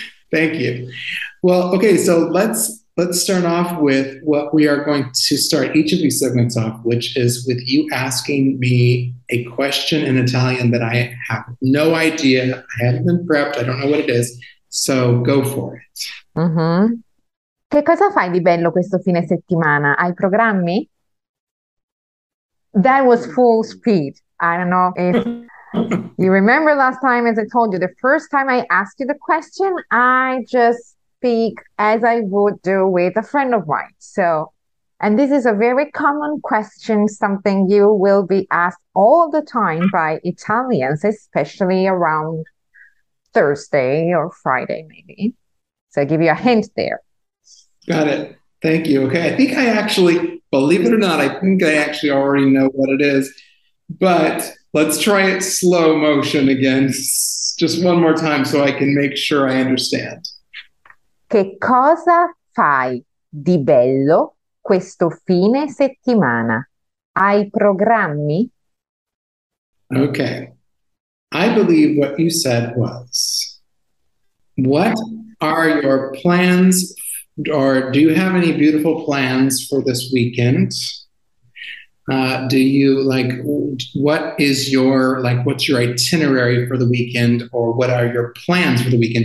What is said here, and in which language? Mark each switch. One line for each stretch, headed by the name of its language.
English: Thank you. Well, okay, so let's start off with what we are going to start each of these segments off, which is with you asking me a question in Italian that I have no idea. I haven't been prepped. I don't know what it is. So go for it. Mm-hmm.
Italian: Che cosa fai di bello questo fine settimana? Hai programmi?
English: That was full speed. I don't know if you remember last time, as I told you, the first time I asked you the question, I just speak as I would do with a friend of mine. So, and this is a very common question, something you will be asked all the time by Italians, especially around Thursday or Friday, maybe. So I give you a hint there. Got it. Thank you. Okay. I think I actually, believe it or not, I think I actually already know what it is, but let's try it slow motion again, just one more time so I can make sure I understand.
Italian: Che cosa fai di bello questo fine settimana? Hai programmi?
English: Okay. I believe what you said was, what are your plans, or do you have any beautiful plans for this weekend? What's your itinerary for the weekend, or what are your plans for the weekend?